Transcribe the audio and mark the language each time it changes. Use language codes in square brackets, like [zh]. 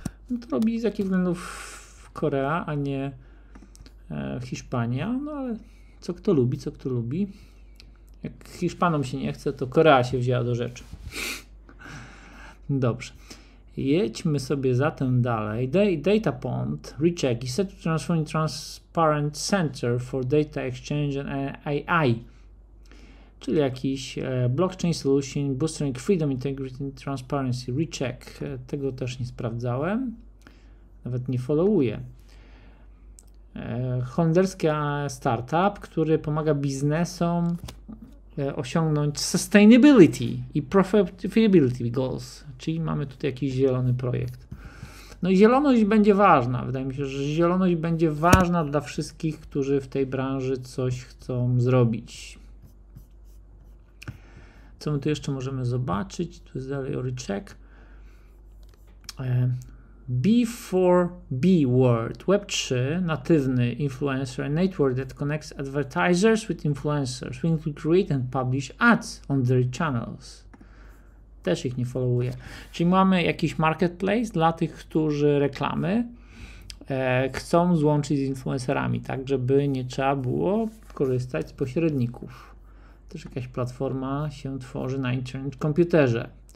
[pl] No to robi z jakich względów Korea, a nie Hiszpania, no ale co kto lubi, co kto lubi. Jak Hiszpanom się nie chce, to Korea się wzięła do rzeczy. Dobrze. Jedźmy sobie zatem dalej. [en] DataPond, Recheck, is set to transform transparent center for data exchange and AI. [pl] Czyli jakiś [en] blockchain solution, boosting freedom, integrity and transparency. [pl] Recheck. Tego też nie sprawdzałem. Nawet nie followuję. Holenderski startup, który pomaga biznesom osiągnąć [en] sustainability [pl] i [en] profitability goals. [pl] Czyli mamy tutaj jakiś zielony projekt. No i zieloność będzie ważna. Wydaje mi się, że zieloność będzie ważna dla wszystkich, którzy w tej branży coś chcą zrobić. Co my tu jeszcze możemy zobaczyć? Tu jest dalej Recheck. [en] B4B World, Web3, natywny influencer network that connects advertisers with influencers. We need to create and publish ads on their channels. [pl] Też ich nie followuje. Czyli mamy jakiś marketplace dla tych, którzy reklamy chcą złączyć z influencerami, tak żeby nie trzeba było korzystać z pośredników. Też jakaś platforma się tworzy na internet komputerze.